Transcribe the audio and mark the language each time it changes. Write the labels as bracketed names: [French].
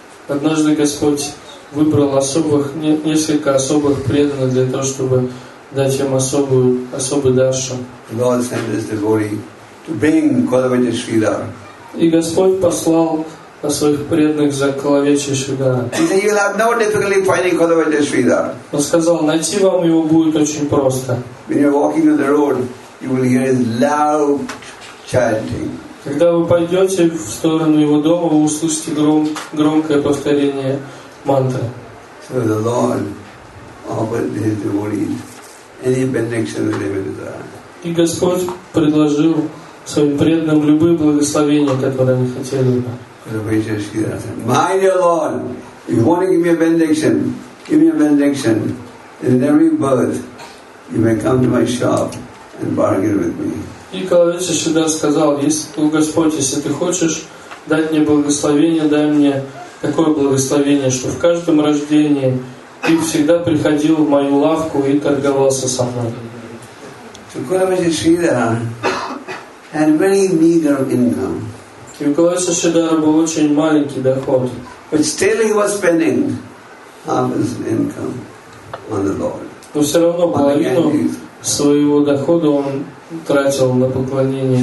[Russian] Однажды Господь выбрал несколько особых преданных для того, чтобы дать им особый даршан. [English] Lord sent this devotee to bring Kalavesha Sridhar. [Russian] И Господь послал своих преданных за Калавешей Шридаром. [English] He said, "You will have no difficulty finding Kalavesha Sridhar." [Russian] Он сказал, найти вам его будет очень просто. [English] When you're walking on the road, you will hear his loud chanting. [Russian] Когда вы пойдете в сторону его дома, вы услышите громкое повторение мантры. [English] So the Lord offered his devotees any benediction that they may desire. [Russian] И Господь предложил своим преданным любые благословения, которые они хотели бы. [English] Калавеша Шридар said, "My dear Lord, if you want to give me a benediction, give me a benediction. And in every birth, you may come to my shop and bargain with me." [Russian] И Калавеша Шридар сказал, "Если, Господь, если ты хочешь дать мне благословение, дай мне такое благословение, что в каждом рождении ты всегда приходил в мою лавку и торговался со мной." [English] So Kalavesha Sridhar had very meager income. [Russian] И у Калавеши Шридара был очень маленький доход. [English] But still he was spending half his income on the Lord. [Russian] Но все равно половину своего дохода он тратил на поклонение